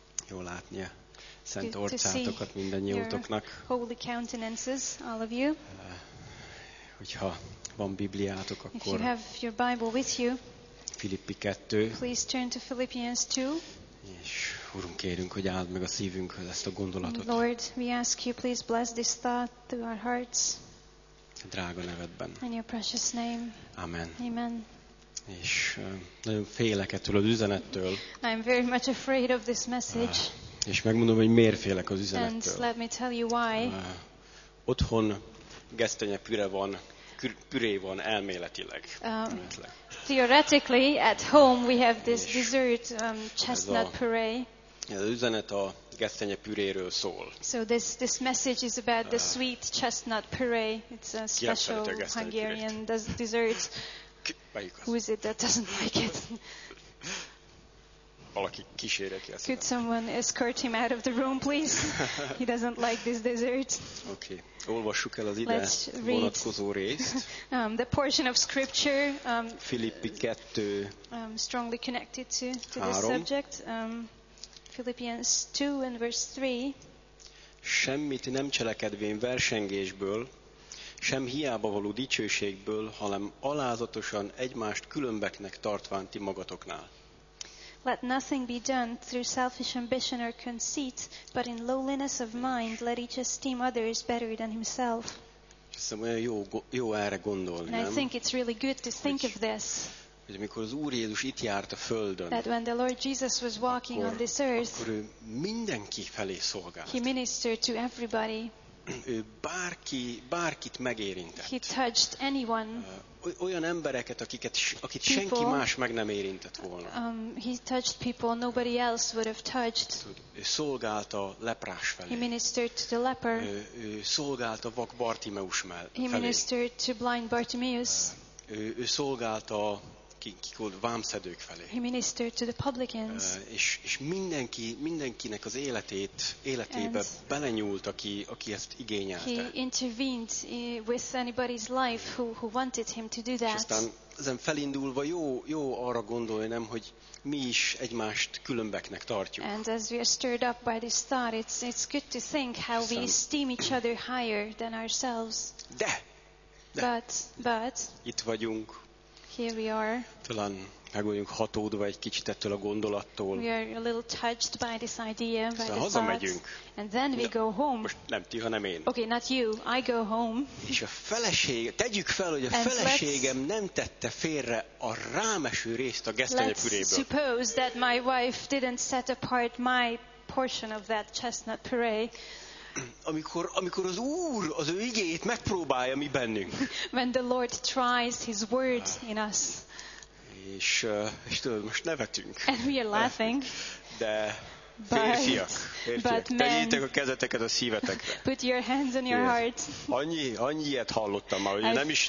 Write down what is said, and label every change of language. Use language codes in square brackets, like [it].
[hu] Jó látni a szent orcátokat mindannyiótoknak. [en] Holy countenances, all of you. [hu] Hogyha van Bibliátok, akkor [en] if you have your Bible with you, [hu] Filippi 2. [en] Please turn to Philippians 2. [hu] És Urunk, kérünk, hogy áld meg a szívünkhöz ezt a gondolatot. [en] Lord, we ask you, please bless this thought to our hearts. [hu] A drága nevedben. [en] In your precious name. [hu] Amen. [en] Amen. [hu] És nagyon félek ettől az üzenettől. [en] I'm very much afraid of this message. [hu] És megmondom, hogy miért félek az üzenettől. [en] And let me tell you why. [hu] Otthon gesztenyepüre van, püré van elméletileg. [en] Theoretically, at home we have this dessert chestnut puree. [hu] Ez az üzenet a gesztenyepüréről szól. [en] So this message is about the sweet chestnut puree. It's a special Hungarian dessert. Who is it that doesn't like it? [hu] Valaki kísérje ki ezt. [en] Could someone escort him out of the room, please? He doesn't like this dessert. Okay. [hu] Olvassuk el az ide vonatkozó részt. [en] The portion of scripture. [hu] Filippi 2. [en] Strongly connected to this subject. Philippians 2 and verse 3. [hu] Semmit nem cselekedvén versengésből, sem hiába való dicsőségből, hanem alázatosan egymást különbeknek tartván ti magatoknál. [en] Let nothing be done through selfish ambition or conceit, but in lowliness of mind let each esteem others better than himself. [hu] Jó erre gondolni, nem? [en] I think it's really good to think of this. [hu] Hogy amikor az Úr Jézus itt járt a Földön, [en] that when the Lord Jesus was walking on this earth, [hu] akkor ő mindenki felé szolgált. [en] He ministered to everybody. [hu] Ő bárkit megérintett. [en] He touched anyone. [hu] Olyan embereket, akit senki más meg nem érintett volna. [en] He touched people nobody else would have touched. [hu] Ő szolgált a leprás felé. [en] He ministered to the leper. [hu] Ő szolgált a vak Bartimeus felé. [en] He ministered to blind Bartimeus. [hu] Ő szolgált a vámszedők felé. [en] He ministered to the publicans. [hu] És mindenkinek az életébe belenyúlt, aki ezt igényelte. [en] He intervened with anybody's life who wanted him to do that. [hu] És aztán ezen felindulva jó arra gondolni, nem, hogy mi is egymást különbeknek tartjuk. [en] And as we are stirred up by this thought, it's good to think how we esteem each other higher than ourselves. [hu] De. [en] But [hu] itt vagyunk. [en] Here we are. [hu] Talán meg vagyunk hatódva egy kicsit ettől a gondolattól. [en] We are a little touched by this idea, by the [hu] hazamegyünk. [en] Thought. And then we go home. [hu] Most nem ti, hanem én. [en] Okay, not you. I go home. [hu] És a feleségem, tegyük fel, hogy a feleségem nem tette félre a rámeső részt a gesztenyepüréből. [en] Let's suppose that my wife didn't set apart my portion of that chestnut puree. [hu] Amikor az Úr az ő igéjét megpróbálja mi bennünk. [en] When the Lord tries his word in us. [hu] És tudod, most nevetünk. [en] And we are laughing. [hu] De férfiak, tegyétek a kezeteket a szívetekre. [en] Put your hands on your heart. [hu] Annyit hallottam már, hogy nem is